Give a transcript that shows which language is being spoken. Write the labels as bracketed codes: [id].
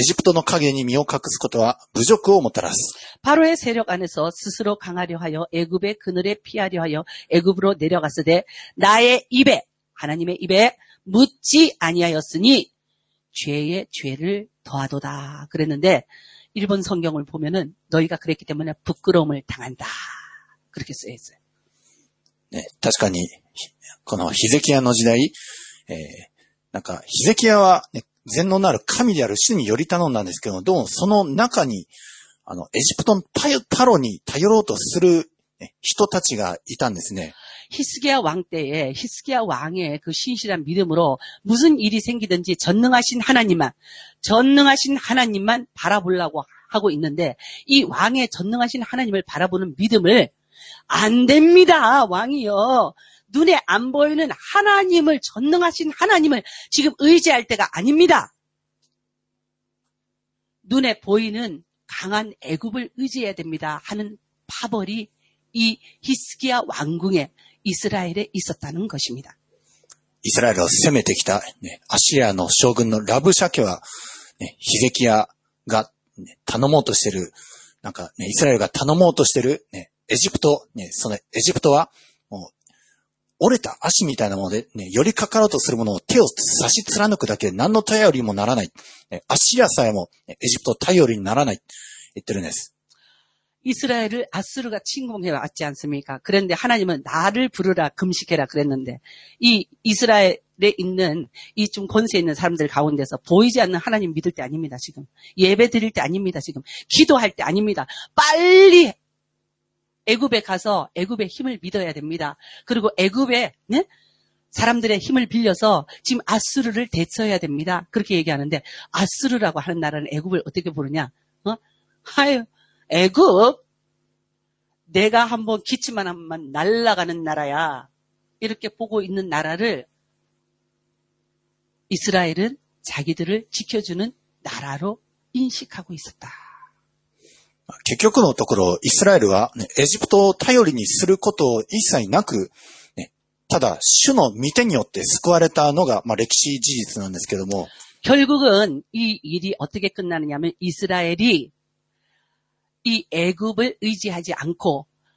[ja] しかしパロの保護に頼ることはあなた方の恥をもたらし、エジプトの影に身を隠すことは侮辱をもたらす。 [ko] 바로의 세력 안에서 스스로 강하려 하여 애굽의 그늘에 피하려 하여 애굽으로 내려갔으되 나의 입에 하나님의 입에 묻지 아니하였으니 죄의 죄를 더하도다 그랬는데 일본 성경을 보면은 너희가 그랬기 때문에 부끄러움을 당한다 그렇게 쓰여 있어요. [ja] 네, 確かに このヒゼキヤの時代 なんかヒゼキヤは全能なる神である主により頼んだんですけど、でもその中にエジプトのパロに頼ろうとする人たちがいたんですね。 [ko] 히스기야 왕 때에 히스기야 왕의 그 신실한 믿음으로 무슨 일이 생기든지 전능하신 하나님만 바라보려고 하고 있는데 이 왕의 전능하신 하나님을 바라보는 믿음을 안 됩니다, 왕이요. 눈에 안 보이는 하나님을 전능하신 하나님을 지금 의지할 때가 아닙니다. 눈에 보이는 강한 애굽을 의지해야 됩니다 하는 파벌이 이 히스기야 왕궁에 이스라엘에 있었다는 것입니다. 이스라엘을 [ja] 攻めてきた [ko] 아시리아의 [ja] 将軍 [ko] 의 라브샤케와 히스기야가 [ja] 頼もうとしてる なんか [ko] 이스라엘이 [ja] 頼もうとしてる エジプト そのエジプトは 折れた足みたいなもので、寄りかかろうとするものを手を差し貫くだけ、何の頼りもならない。アッシリアさえも、エジプト頼りにならない。言ってるんです。 [ko] 이스라엘을 아수르가 침공해 왔지 않습니까? 그런데 하나님은 나를 부르라, 금식해라 그랬는데, 이 이스라엘에 있는, 이 좀 권세 있는 사람들 가운데서 보이지 않는 하나님 믿을 때 아닙니다, 지금. 예배 드릴 때 아닙니다, 지금. 기도할 때 아닙니다. 빨리! 애굽에 가서 애굽의 힘을 믿어야 됩니다. 그리고 애굽의 네? 사람들의 힘을 빌려서 지금 아수르를 대처해야 됩니다. 그렇게 얘기하는데 아수르라고 하는 나라는 애굽을 어떻게 부르냐? 아유, 애굽 내가 한번 기침만 하면 날아가는 나라야. 이렇게 보고 있는 나라를 이스라엘은 자기들을 지켜주는 나라로 인식하고 있었다. [ja] 結局のところ、イスラエルはエジプトを頼りにすること一切なく、ただ主の御手によって救われたのが歴史事実なんですけども。 [ko] 결국은 이 일이 어떻게 끝나느냐면 이스라엘이 이 애굽을 의지하지 않고